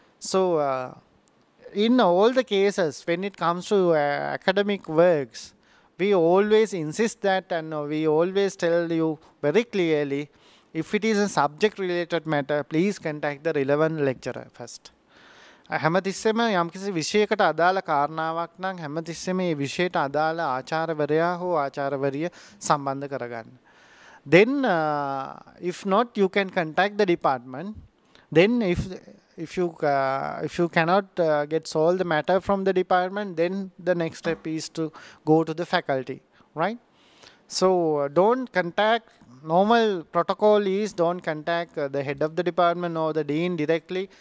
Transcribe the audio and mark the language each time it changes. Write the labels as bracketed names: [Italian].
[English] So in all the cases, when it comes to academic works, we always insist that, and we always tell you very clearly, if it is a subject-related matter, please contact the relevant lecturer first. [Sinhala] හැමතිස්සෙම යම්කිසි විෂයකට අදාළ කාරණාවක් නම් හැමතිස්සෙම මේ විෂයට අදාළ ආචාර්යවරයා හෝ ආචාර්යවරිය සම්බන්ධ කරගන්න. [English] Then, if not, you can contact the department. Then, if you cannot get solved the matter from the department, then the next step is to go to the faculty, right? So, don't contact. Normal protocol is don't contact the head of the department or the dean directly.